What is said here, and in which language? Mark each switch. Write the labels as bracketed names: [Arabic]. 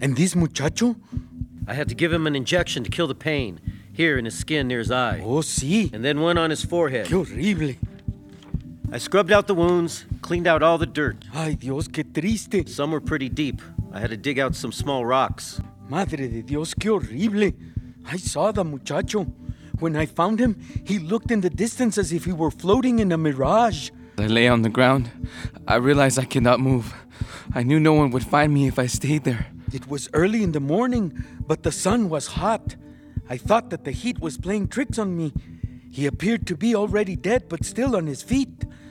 [English] And this muchacho? I had to give him an injection to kill the pain. Here in his skin near his eye. Oh, see. Sí. And then one on his forehead. [Spanish] Qué horrible. [English] I scrubbed out the wounds, cleaned out all the dirt. [Spanish] Ay, Dios, qué triste. [English] Some were pretty deep. I had to dig out some small rocks. [Spanish] Madre de Dios, qué horrible. [English] I saw the muchacho. When I found him, he looked in the distance as if he were floating in a mirage. I lay on the ground. I realized I could not move. I knew no one would find me if I stayed there. It was early in the morning, but the sun was hot. I thought that the heat was playing tricks on me. He appeared to be already dead, but still on his feet.